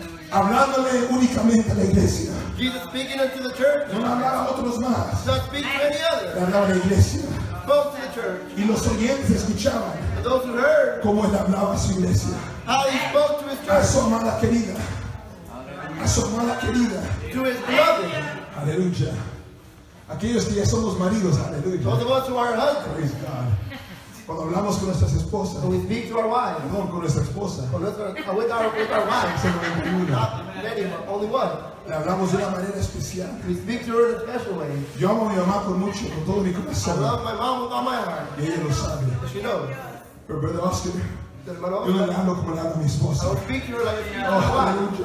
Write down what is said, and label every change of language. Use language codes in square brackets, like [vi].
[es] hablándole únicamente a la iglesia. [en] Jesus speaking unto the church. [es] No hablar a otros más. [en] Not speaking to any other. [es] Le hablaba a la iglesia. [en] Spoke to the church. [es] Y los oyentes escuchaban. [en] And those who heard. [es] Cómo él hablaba a su iglesia. [en] How he spoke to his church. [es] A su amada querida. A su amada querida. [en] To his beloved. [es] Aleluya. Aquellos que ya son los maridos, aleluya. [en] Those of us who are husbands. Praise God. [es] Cuando hablamos con nuestras esposas, [en] when we speak to our wives, [es] perdón, con nuestra esposa, [en] with our wives, not many, but only one. [es] Le hablamos de una manera especial. [en] We speak to her in a special way. [es] Yo amo a mi mamá con mucho, con todo mi corazón. [en] I love my mom with all my heart. [es] Y ella lo sabe. [en] But she knows. [es] Pero brother Oscar, yo no le hablo como le hablo a mi esposa. [en] I will speak to her like a speak to my wife.